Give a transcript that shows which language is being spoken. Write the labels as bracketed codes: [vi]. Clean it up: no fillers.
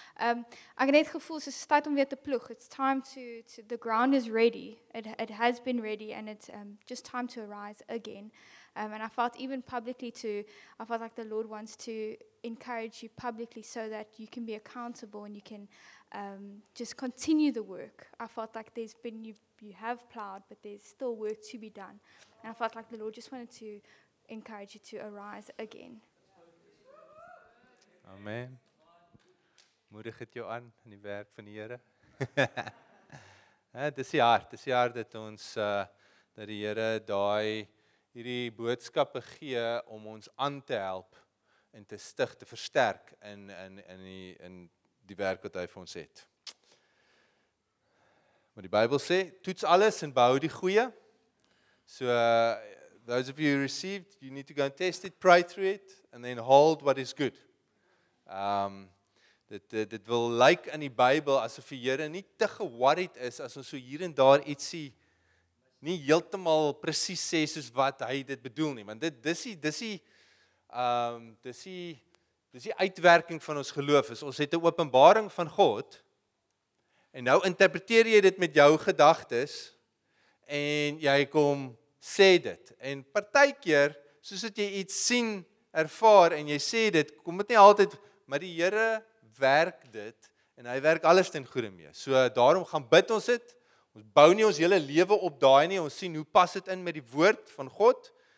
[af] Ek het net gevoel, so is tyd om weer te ploeg. [en] It's time to the ground is ready. It has been ready and it's just time to arise again. And I felt even publicly too, I felt like the Lord wants to encourage you publicly so that you can be accountable and you can just continue the work. I felt like there's been, you have plowed, but there's still work to be done. And I felt like the Lord just wanted to encourage you to arise again. [af] Amen. Moedig het jou aan in die werk van die Here. Dis die hart dat ons, dat die Here daai, hierdie boodskappe gee om ons aan te help en te stig, te versterk in die werk wat hy vir ons het. Maar die Bybel sê, toets alles en bou die goeie. [en] So, those of you who received, you need to go and test it, pray through it, and then hold what is good. [af] Dit wil lyk in die Bybel, asof die Here nie te geworried is, as ons so hier en daar iets sê, nie heeltemal precies sê, soos wat hy dit bedoel nie. Want dis die uitwerking van ons geloof, is ons het 'n openbaring van God, en nou interpreteer jy dit met jou gedagtes, en jy kom sê dit, en partykeer, soos dat jy iets sien, ervaar, en jy sê dit, kom dit nie altyd, maar die Here werk dit, en hy werk alles ten goede mee, so daarom gaan bid ons dit, ons bou nie ons hele lewe op daai nie, ons sien hoe pas dit in met die woord van God,